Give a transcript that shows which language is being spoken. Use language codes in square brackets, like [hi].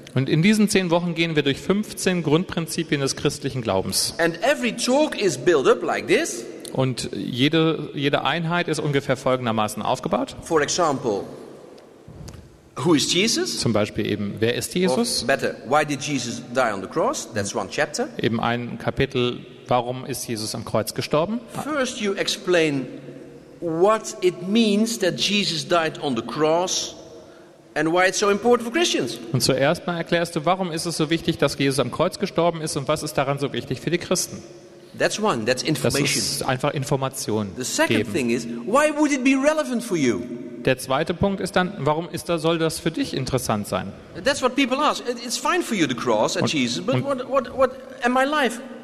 [de] Und in diesen 10 Wochen gehen wir durch 15 Grundprinzipien des christlichen Glaubens. [en] And every talk is built up like this. [de] Und jede Einheit ist ungefähr folgendermaßen aufgebaut. [en] For example, who is Jesus? [de] Zum Beispiel eben, wer ist Jesus? [en] Or better, why did Jesus die on the cross? That's one chapter. [de] Eben ein Kapitel, warum ist Jesus am Kreuz gestorben? [en] First you explain what it means that Jesus died on the cross. And why it's so important for Christians. [de] Und zuerst mal erklärst du, warum ist es so wichtig, dass Jesus am Kreuz gestorben ist und was ist daran so wichtig für die Christen? [en] That's one, that's information. [de] Das ist einfach Information. [en] The second thing is, why would it be relevant for you? [de] Der zweite Punkt ist dann, warum ist da soll das für dich interessant sein? [en] That's what people ask. It's fine for you the cross and Jesus, but what am I life?